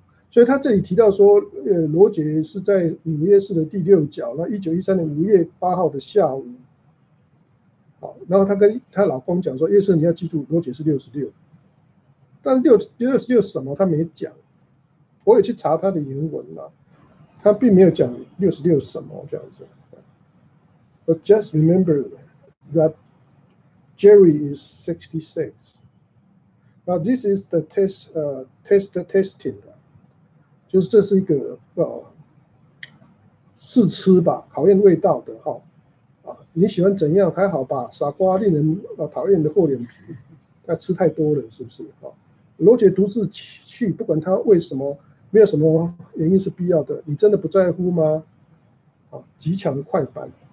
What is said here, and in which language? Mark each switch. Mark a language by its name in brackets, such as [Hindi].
[Chinese] 所以他这里提到说，罗杰是在纽约市的第六角，那1913年5月8号的下午。好，然后他跟他老公讲说，约瑟你要记住，罗杰是66。但是66什么他没讲，我也去查他的原文了，他并没有讲66什么这样子。 [English] But just remember that Jerry is 66. Now this is the testing. [Chinese] 就是这是一个试吃吧，考验味道的哈。你喜欢怎样还好吧，傻瓜令人讨厌的厚脸皮，他吃太多了是不是？罗杰独自去，不管他为什么，没有什么原因是必要的，你真的不在乎吗？极强的快板。